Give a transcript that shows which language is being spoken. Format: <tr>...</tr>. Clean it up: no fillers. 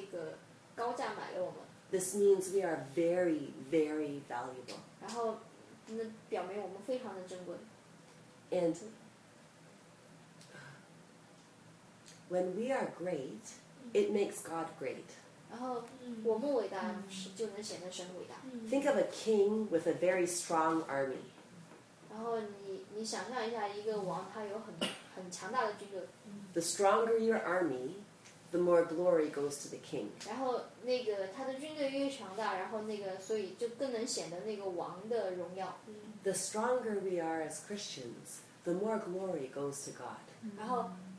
<zh>然后他用他的那个高价买了我们。</zh> <en>This means we are very, very valuable.</en> <zh>然后那表明我们非常的珍贵。</zh> <en>And when we are great, it makes God great.</en> <zh>然后我们伟大，就能显得神伟大。</zh> <en>Think of a king with a very strong army.</en> <zh>然后你想象一下一个王，他有很强大的军队。</zh> <en>The stronger your army, the more glory goes to the king.</en> <zh>然后那个他的军队越强大，然后那个所以就更能显得那个王的荣耀。</zh> <en>The stronger we are as Christians, the more glory goes to God.</en>